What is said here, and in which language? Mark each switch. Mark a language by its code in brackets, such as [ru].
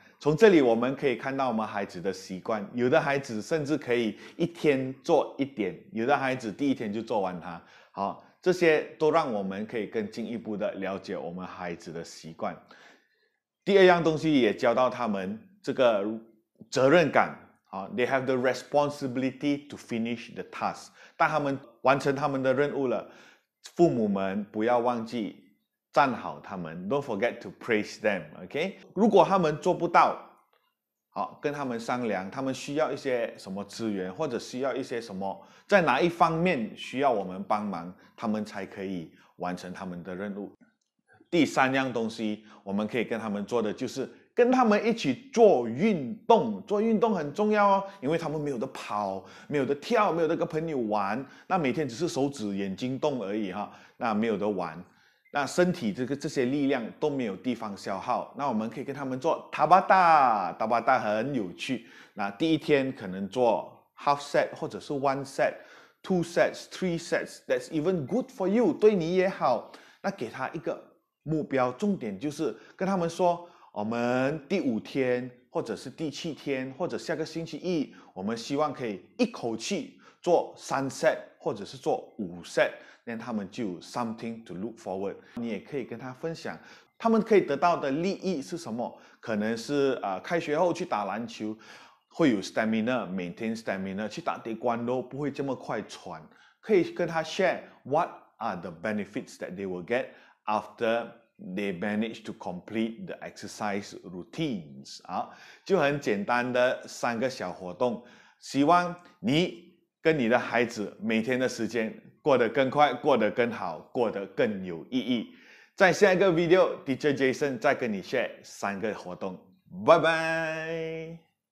[zh] 从这里我们可以看到我们孩子的习惯，有的孩子甚至可以一天做一点，有的孩子第一天就做完它。好，这些都让我们可以更进一步的了解我们孩子的习惯。第二样东西也教到他们这个责任感。 [en] 好，they have the responsibility to finish the task。 [zh] 当他们完成他们的任务了，父母们不要忘记赞好他们， [en] Don't forget to praise them，OK？ [zh] 如果他们做不到，好，跟他们商量，他们需要一些什么资源，或者需要一些什么，在哪一方面需要我们帮忙，他们才可以完成他们的任务。第三样东西，我们可以跟他们做的就是跟他们一起做运动，做运动很重要哦，因为他们没有得跑，没有得跳，没有得跟朋友玩，那每天只是手指眼睛动而已哈，那没有得玩。那身体这些力量都没有地方消耗，那我们可以跟他们做塔巴塔，塔巴塔很有趣。那第一天可能做 [en] half set [zh] 或者是 [en] one set、two sets、three sets，that's even good for you， [zh] 对你也好。那给他一个目标，重点就是跟他们说，我们第五天或者是第七天或者下个星期一，我们希望可以一口气做三 set 或者是做五 set。让他们就有 [en] something to look forward。 [zh] 你也可以跟他分享，他们可以得到的利益是什么？可能是开学后去打篮球，会有 [en] stamina, maintain stamina, [zh] 去打铁关咯，不会这么快喘。可以跟他 [en] share what are the benefits that they will get after they manage to complete the exercise routines. [zh] 好，就很简单的三个小活动，希望你跟你的孩子每天的时间过得更快，过得更好，过得更有意义。在下一个 video, DJ Jason 再跟你 share 三个活动。拜拜。